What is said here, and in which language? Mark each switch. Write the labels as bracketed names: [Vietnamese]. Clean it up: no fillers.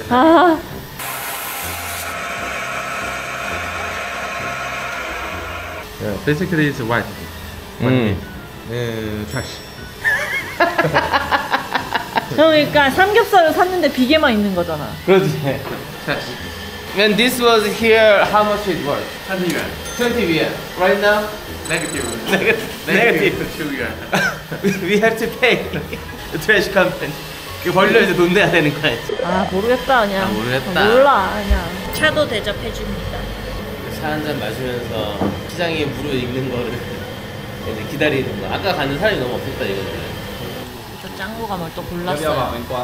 [Korean] 아. [English] 예, basically it's white. [Korean] 트래시. 그러니까 삼겹살을 샀는데 비계만 있는 거잖아. 그렇지. 트래시. [English] And this was here, how much it was? 20 yuan. Right now? Negative. Negative. Negative. We have to pay the trash company. [Korean] 벌려야 돈 내야 되는 거야. 아, 모르겠다, 그냥. 아, 모르겠다. 몰라, 그냥. 차도 대접해줍니다. 차 한잔 마시면서 시장에 무르익는 거를 이제 기다리는 거. 아까 갔는 사람이 너무 없었다, 이거는. 짱구감을 또 골랐어요.